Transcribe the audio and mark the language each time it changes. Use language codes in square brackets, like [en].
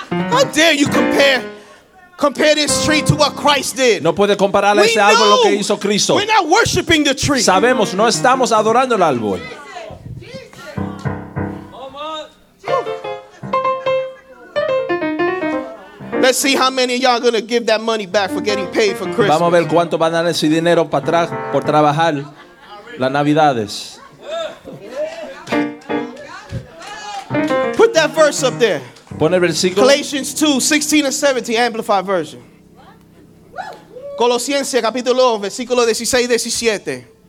[en] How dare you compare this tree to what Christ did? [es] No puede comparar ese árbol lo que hizo Cristo. [en] We're not worshiping the tree. [es] Sabemos, no estamos adorando el árbol. [en] Let's see how many of y'all are going to give that money back for getting paid for Christmas. [es] Vamos a ver cuánto van a dar ese dinero para atrás por trabajar las Navidades. [en] Put that verse up there. [es] Pon el versículo. [en] Galatians 2, 16 and 17, Amplified Version. [es] Colosenses capítulo 2, versículo 16 y 17.